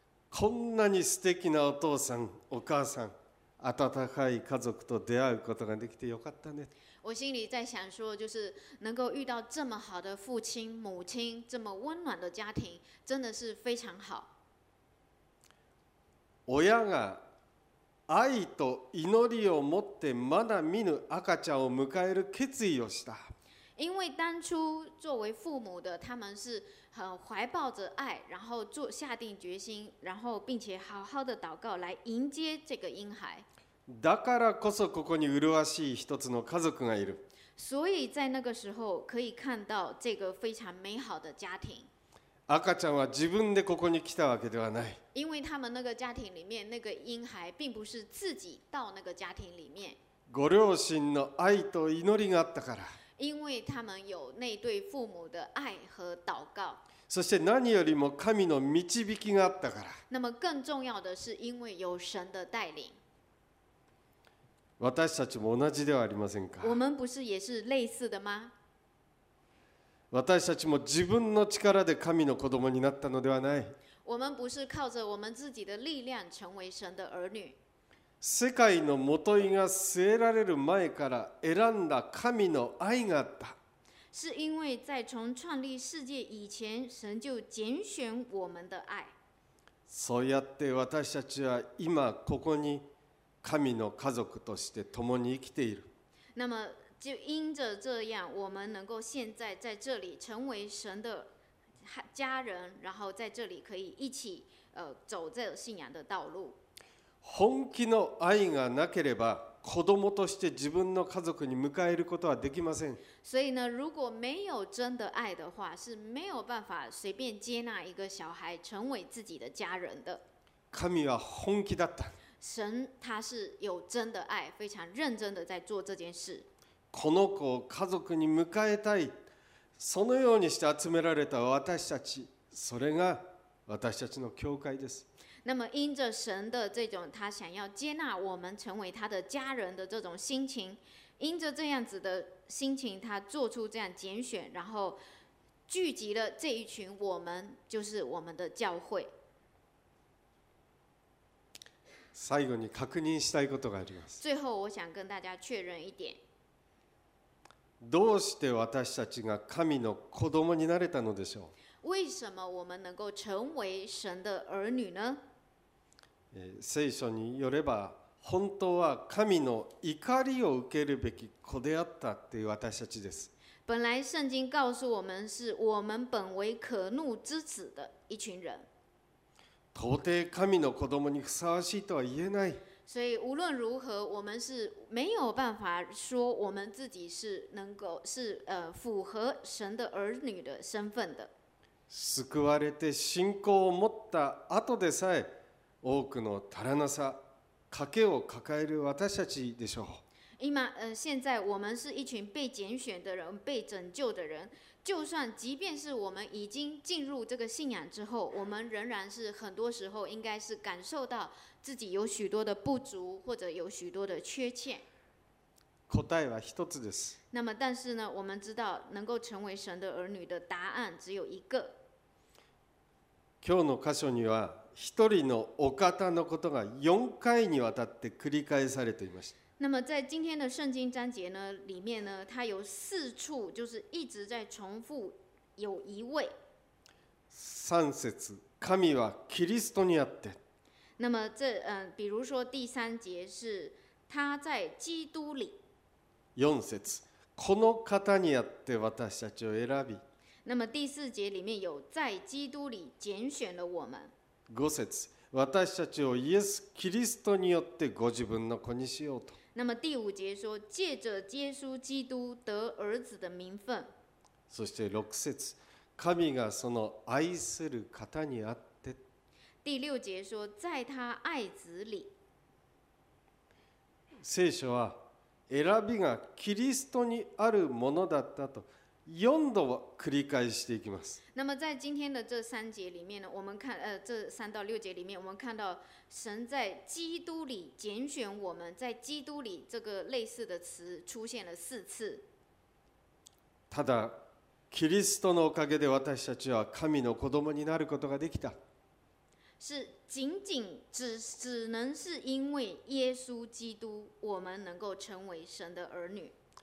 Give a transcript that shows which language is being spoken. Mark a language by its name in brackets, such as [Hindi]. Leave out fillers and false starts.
[Japanese] こんなに素敵なお父さん、お母さん、温かい家族と出会うことができてよかったね。 [Chinese] 我心里在想说，就是能够遇到这么好的父亲、母亲，这么温暖的家庭，真的是非常好。 [Japanese] 親が愛と祈りを持ってまだ見ぬ赤ちゃんを迎える決意をした。 [Chinese] 因为当初作为父母的他们是很怀抱着爱，然后做下定决心，然后并且好好的祷告来迎接这个婴孩。 [Japanese] だからこそここに麗しい一つの家族がいる。 [Chinese] 所以在那个时候可以看到这个非常美好的家庭。 [Japanese] 赤ちゃんは自分でここに来たわけではない。 [Chinese] 因为他们那个家庭里面那个婴孩并不是自己到那个家庭里面。 [Japanese] ご両親の愛と祈りがあったから。 [Chinese] 因为他们有那对父母的爱和祷告。 [Japanese] そして何よりも神の導きがあったから。 [Chinese] 那么更重要的是因为有神的带领。 [Japanese] 私たちも同じではありませんか。 [Chinese] 我们不是也是类似的吗？ [Japanese] 私たちも自分の力で神の子供になったのではない。 [Chinese] 我们不是靠着我们自己的力量成为神的儿女。 [Japanese] 世界の元いが据えられる前から選んだ神の愛があった。 [Chinese] 是因为在从创立世界以前，神就拣选我们的爱。 [Japanese] そうやって私たちは今ここに神の家族として共に生きている。 [Chinese] 那么就因着这样，我们能够现在在这里成为神的家人，然后在这里可以一起走这信仰的道路。 [Japanese] 本気の愛がなければ、子供として自分の家族に迎えることはできません。 [Chinese] 所以呢，如果没有真的爱的话，是没有办法随便接纳一个小孩成为自己的家人的。 [Japanese] 神は本気だった。 [Chinese] 神他是有真的爱，非常认真的在做这件事。 [Japanese] この子を家族に迎えたい、そのようにして集められた私たち、それが私たちの教会です。 [Chinese] 那么因着神的这种他想要接纳我们成为他的家人的这种心情，因着这样子的心情，他做出这样拣选，然后聚集了这一群我们，就是我们的教会。 [Japanese] 最後に確認したいことがあります。 [Chinese] 最后我想跟大家确认一点。 [Japanese] どうして私たちが神の子供になれたのでしょう。 [Chinese] 为什么我们能够成为神的儿女呢？ [Japanese] 聖書によれば、本当は神の怒りを受けるべき子であったっていう私たちです。 [Chinese] 本来圣经告诉我们是我们本为可怒之子的一群人。 [Japanese] 到底神の子供にふさわしいとは言えない。 [Chinese] 所以无论如何，我们是没有办法说我们自己是能够是符合神的儿女的身份的。 [Japanese] 救われて信仰を持った後でさえ、多くの足らなさ、欠けを抱える私たちでしょう。 [Chinese] 现在我们是一群被拣选的人，被拯救的人。就算即便是我们已经进入这个信仰之后，我们仍然是很多时候应该是感受到自己有许多的不足或者有许多的缺陷。 [Japanese] 答えは一つです。 [Chinese] 那么但是呢，我们知道能够成为神的儿女的答案只有一个。 [Japanese] 今日の箇所には一人のお方のことが4回にわたって繰り返されていました。 [Chinese] 那么在今天的圣经章节呢里面呢它有四处就是一直在重复有一位。 [Japanese] 三節、神はキリストにあって。 [Chinese] 那么这比如说第三节是他在基督里。 [Japanese] 四節、この方にあって私たちを選び。 [Chinese] 那么第四节里面有在基督里拣选了我们。 [Japanese] 五節、私たちをイエス・キリストによってご自分の子にしようと。 [Chinese] 那么第五节说借着耶稣基督得儿子的名分。 [Japanese] そして六節、神がその愛する方にあって。 [Chinese] 第六节说在他爱子里。 [Japanese] 聖書は選びがキリストにあるものだったと。 4度は繰り返していきます。 [Chinese] 那么在今天的这三节里面呢，我们看这三到六节里面，我们看到神在基督里拣选我们，在基督里这个类似的词出现了四次。 [Japanese] ただキリストのおかげで私たちは神の子供になることができた。 [Chinese] 是仅仅只能是因为耶稣基督，我们能够成为神的儿女。